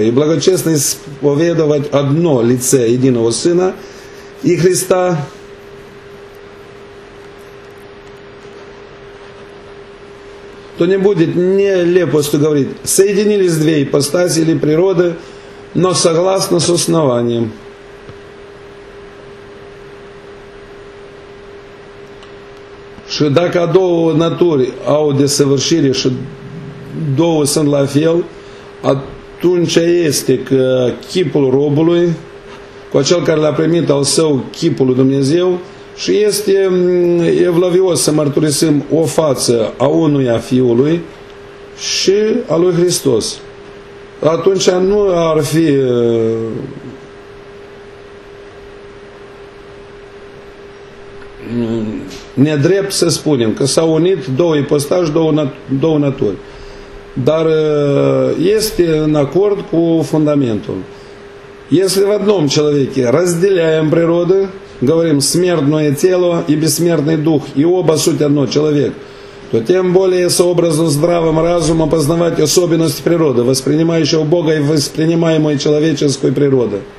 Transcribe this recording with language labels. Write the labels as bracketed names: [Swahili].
[Russian] И благочестно исповедовать одно лице единого Сына и Христа, то не будет нелепостью говорить, соединились две ипостаси или природы, но согласно с основанием. [Romanian] Și dacă două naturi au desăvârșire și două sunt la fel, atunci este că chipul robului, cu acel care l-a primit al său chipul lui Dumnezeu, și este evlavios să mărturisim o față a unuia Fiului și a lui Hristos. Atunci nu ar fi... nedrept să spunem că s-au unit două ipostași, două naturi. Dar este în acord cu fundamentul. [Russian] Если в одном человеке разделяем природы, говорим смертное тело и бессмертный дух, и оба суть одно, человек, то тем более сообразно здравым разумом опознавать особенности природы, воспринимающего Бога и воспринимаемой человеческой природы.